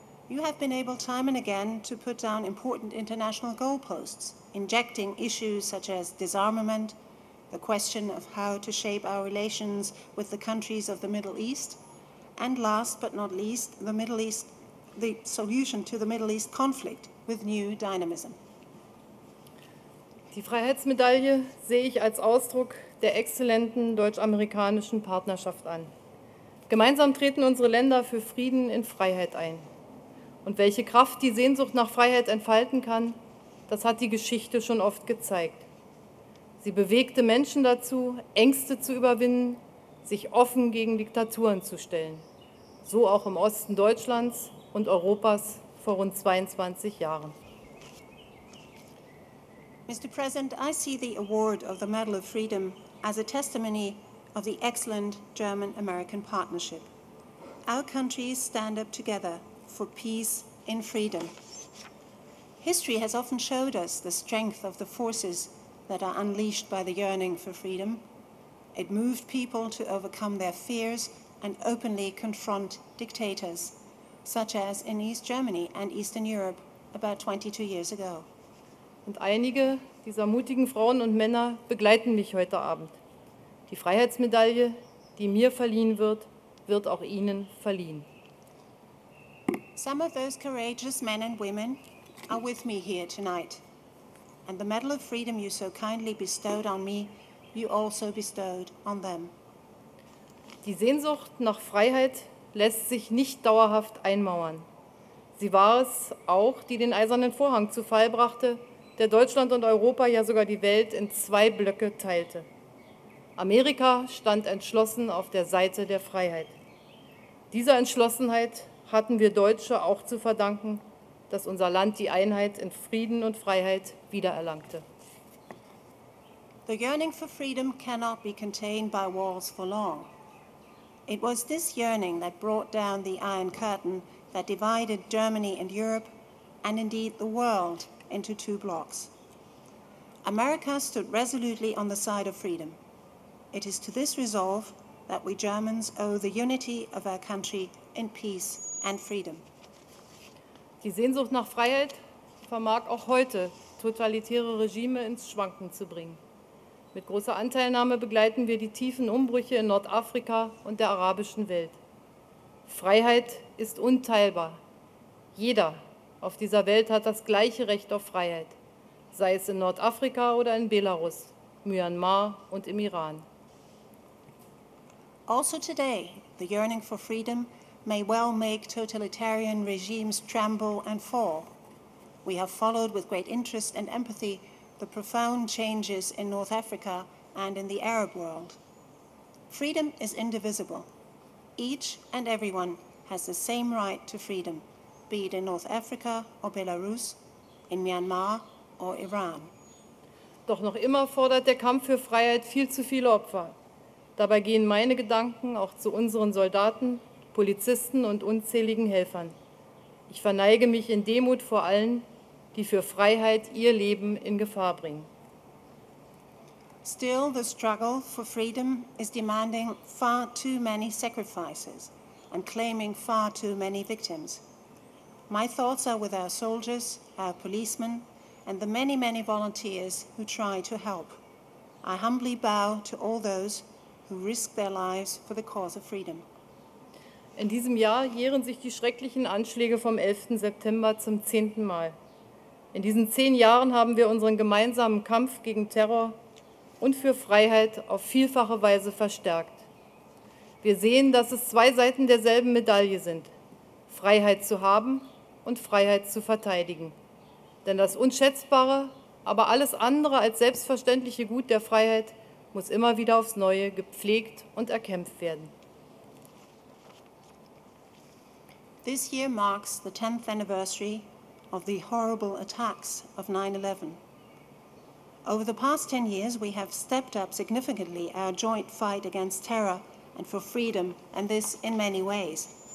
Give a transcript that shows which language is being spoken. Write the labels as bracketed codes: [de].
[en] You have been able time and again to put down important international goalposts, injecting issues such as disarmament, the question of how to shape our relations with the countries of the Middle East, and last but not least, the solution to the Middle East conflict with new dynamism. [de] Die Freiheitsmedaille sehe ich als Ausdruck der exzellenten deutsch-amerikanischen Partnerschaft an. Gemeinsam treten unsere Länder für Frieden in Freiheit ein. Und welche Kraft die Sehnsucht nach Freiheit entfalten kann, das hat die Geschichte schon oft gezeigt. Sie bewegte Menschen dazu, Ängste zu überwinden, sich offen gegen Diktaturen zu stellen. So auch im Osten Deutschlands und Europas vor rund 22 Jahren. [en] Mr. President, I see the award of the Medal of Freedom as a testimony of the excellent German-American partnership. Our countries stand up together for peace and freedom. History has often showed us the strength of the forces that are unleashed by the yearning for freedom. It moved people to overcome their fears and openly confront dictators, such as in East Germany and Eastern Europe about 22 years ago. [de] Und einige dieser mutigen Frauen und Männer begleiten mich heute Abend. Die Freiheitsmedaille, die mir verliehen wird, wird auch Ihnen verliehen. [en] Some of those courageous men and women are with me here tonight. And the Medal of Freedom you so kindly bestowed on me, you also bestowed on them. [de] Die Sehnsucht nach Freiheit lässt sich nicht dauerhaft einmauern. Sie war es auch, die den eisernen Vorhang zu Fall brachte, der Deutschland und Europa, ja sogar die Welt, in zwei Blöcke teilte. Amerika stand entschlossen auf der Seite der Freiheit. Dieser Entschlossenheit hatten wir Deutsche auch zu verdanken, dass unser Land die Einheit in Frieden und Freiheit wiedererlangte. [en] The yearning for freedom cannot be contained by walls for long. It was this yearning that brought down the Iron Curtain that divided Germany and Europe, and indeed the world, into two blocks. America stood resolutely on the side of freedom. It is to this resolve that we Germans owe the unity of our country in peace and freedom. [de] Die Sehnsucht nach Freiheit vermag auch heute totalitäre Regime ins Schwanken zu bringen. Mit großer Anteilnahme begleiten wir die tiefen Umbrüche in Nordafrika und der arabischen Welt. Freiheit ist unteilbar. Jeder auf dieser Welt hat das gleiche Recht auf Freiheit, sei es in Nordafrika oder in Belarus, Myanmar und im Iran. [en] Also today, the yearning for freedom may well make totalitarian regimes tremble and fall. We have followed with great interest and empathy the profound changes in North Africa and in the Arab world. Freedom is indivisible. Each and everyone has the same right to freedom, be it in North Africa or Belarus, in Myanmar or Iran. [de] Doch noch immer fordert der Kampf für Freiheit viel zu viele Opfer. Dabei gehen meine Gedanken auch zu unseren Soldaten, Polizisten und unzähligen Helfern. Ich verneige mich in Demut vor allen, die für Freiheit ihr Leben in Gefahr bringen. [en] Still, the struggle for freedom is demanding far too many sacrifices and claiming far too many victims. My thoughts are with our soldiers, our policemen and the many, many volunteers who try to help. I humbly bow to all those who risk their lives for the cause of freedom. [de] In diesem Jahr jähren sich die schrecklichen Anschläge vom 11. September zum 10. Mal. In diesen 10 Jahren haben wir unseren gemeinsamen Kampf gegen Terror und für Freiheit auf vielfache Weise verstärkt. Wir sehen, dass es zwei Seiten derselben Medaille sind: Freiheit zu haben und Freiheit zu verteidigen. Denn das unschätzbare, aber alles andere als selbstverständliche Gut der Freiheit muss immer wieder aufs Neue gepflegt und erkämpft werden. [en] This year marks the 10th anniversary of the horrible attacks of 9/11. Over the past 10 years, we have stepped up significantly our joint fight against terror and for freedom, and this in many ways.